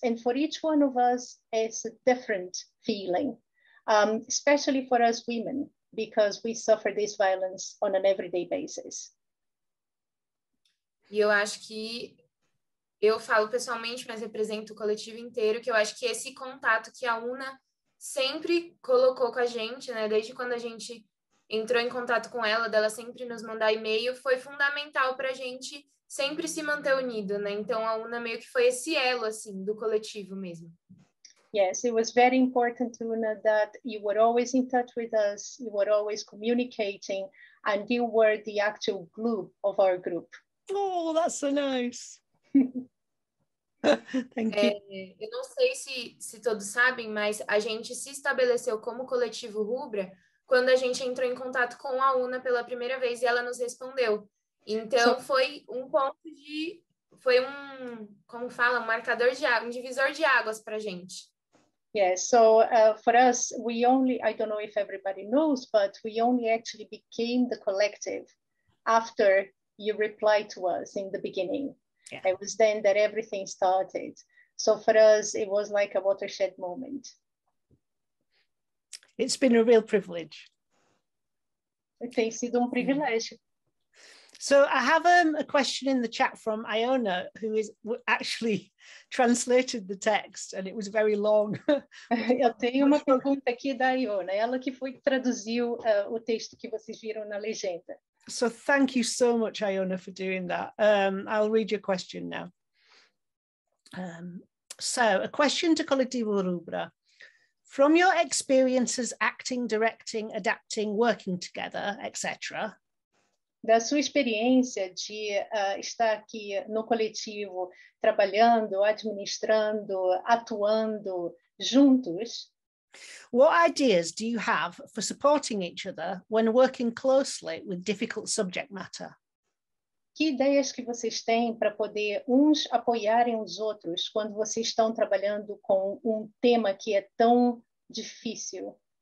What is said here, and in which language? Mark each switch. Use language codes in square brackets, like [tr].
[en] And for each one of us, it's a different feeling, especially for us women, because we suffer this violence on an everyday basis. [pt] E eu acho que eu falo pessoalmente, mas represento o coletivo inteiro, que eu acho que esse contato que a Una sempre colocou com a gente, né, desde quando a gente entrou em contato com ela, dela sempre nos mandar e-mail, foi fundamental para a gente sempre se manter unido, né? Então a Una meio que foi esse elo, assim, do coletivo mesmo. [en] Yes, it was very important, Una, that you were always in touch with us, you were always communicating, and you were the actual glue of our group. Oh, that's so nice. Thank you. [pt] Eu não sei se todos sabem, mas a gente se estabeleceu como Coletivo Rubra quando a gente entrou em contato com a Una pela primeira vez e ela nos respondeu. Então, so, foi um ponto de... Foi um, como fala, um marcador de água, um divisor de águas para a gente. [en] Yes, so for us, we only, I don't know if everybody knows, but we only actually became the collective after you replied to us in the beginning. Yeah. It was then that everything started. So for us, it was like a watershed moment. It's been a real privilege. [pt] Tem sido privilégio. [en] So I have a question in the chat from Iona, who is actually translated the text, and it was very long. [pt] Eu tenho uma pergunta aqui da Iona, ela que foi que traduziu o texto que vocês viram na legenda. [en] So thank you so much, Iona, for doing that. I'll read your question now. So a question to Coletivo Rubra. From your experiences acting, directing, adapting, working together, etc., [pt] da sua experiência de estar aqui no coletivo, trabalhando, administrando, atuando juntos. [en] What ideas do you have for supporting each other when working closely with difficult subject matter? [pt] Que ideias que vocês têm para poder uns apoiarem os outros quando vocês estão trabalhando com tema que é tão difícil?